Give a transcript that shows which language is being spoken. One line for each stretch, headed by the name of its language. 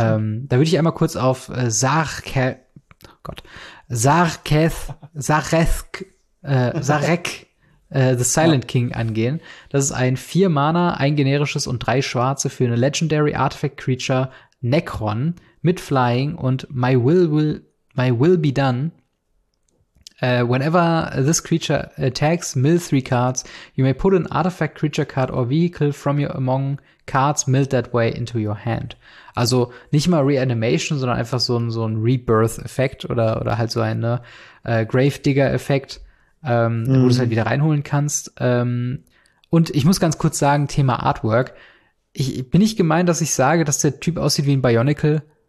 German: Da würde ich einmal kurz auf The Silent King angehen. Das ist ein 4 Mana, ein generisches und 3 schwarze für eine Legendary Artifact Creature Necron mit Flying und My Will Be Done.
English: Whenever this creature attacks, mill 3 cards. You may put an Artifact Creature Card or Vehicle from your among cards milled that way into your hand.
German: Also nicht mal Reanimation, sondern einfach so ein Rebirth-Effekt oder halt so ein Grave-Digger-Effekt. Wo du es halt wieder reinholen kannst. Und ich muss ganz kurz sagen, Thema Artwork. Ich bin nicht gemeint, dass ich sage, dass der Typ aussieht wie ein Bionicle.